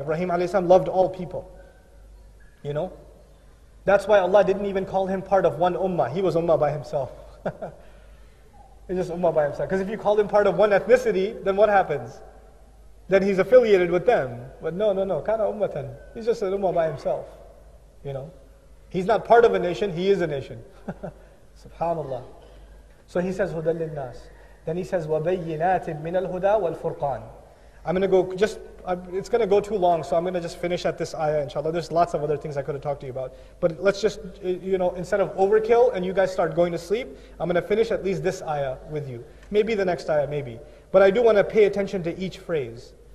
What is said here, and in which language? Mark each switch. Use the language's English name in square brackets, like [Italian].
[English] Ibrahim alayhi salam loved all people. You know? That's why Allah didn't even call him part of one ummah. He was ummah by himself. He's just ummah by himself. Because if you call him part of one ethnicity, then what happens? Then he's affiliated with them. But no. Kana ummatan. He's just an ummah by himself. You know? He's not part of a nation, he is a nation. SubhanAllah. So he says, Hudal lil nas. Then he says, [Arabic] وَبَيِّنَاتٍ مِنَ الْهُدَى وَالْفُرْقَانِ. [English] I'm going to go, it's going to go too long, so I'm going to just finish at this ayah, inshallah. There's lots of other things I could have talked to you about. But let's just, you know, instead of overkill and you guys start going to sleep, I'm going to finish at least this ayah with you. Maybe the next ayah, maybe. But I do want to pay attention to each phrase.